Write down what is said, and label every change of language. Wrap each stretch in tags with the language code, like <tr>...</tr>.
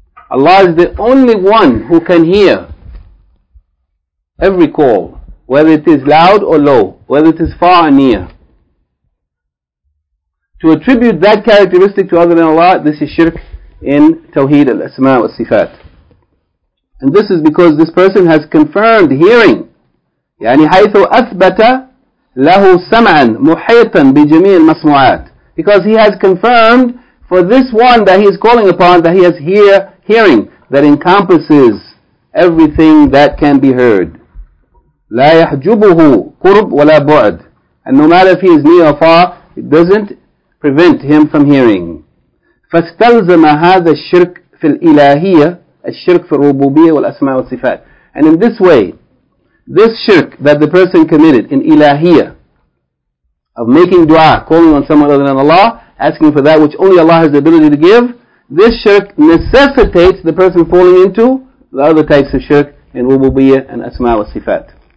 <en>Allah is the only one who can hear every call, whether it is loud or low, whether it is far or near. To attribute that characteristic to other than Allah, this is shirk in Tawheed al-Asma wa Sifat. And this is because this person has confirmed hearing.</en> <ar>يعني حيث أثبت له سمعا محيطا بجميع المسموعات.</ar> <en>Because he has confirmed for this one that he is calling upon that he has hearing that encompasses everything that can be heard.</en> <ar>لا يحجبه قرب ولا بعد.</ar> <en>And no matter if he is near or far, it doesn't prevent him from hearing.</en> <ar>فاستلزم هذا الشرك في الإلهية الشرك في الربوبية والأسماء والصفات.</ar> <en>And in this way, this shirk that the person committed in إلهية, of making dua, calling on someone other than Allah, asking for that which only Allah has the ability to give, this shirk necessitates the person falling into the other types of shirk in Rububiyya and Asma wa Sifat.</en>